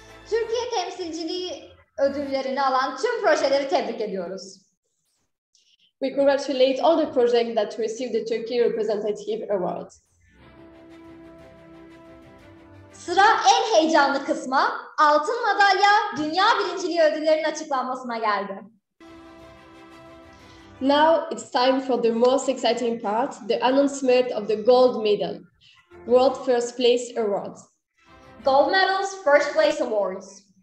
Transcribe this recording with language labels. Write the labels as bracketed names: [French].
[Turkish] Türkiye Temsilciliği ödüllerini alan tüm projeleri tebrik ediyoruz. [English] We congratulate all the projects that received the Turkey Representative Award. [Turkish] Sıra en heyecanlı kısma, altın madalya dünya birinciliği ödüllerinin açıklanmasına geldi. [English] Now it's time for the most exciting part, the announcement of the gold medal, World First Place Award. Gold Medals First Place Awards.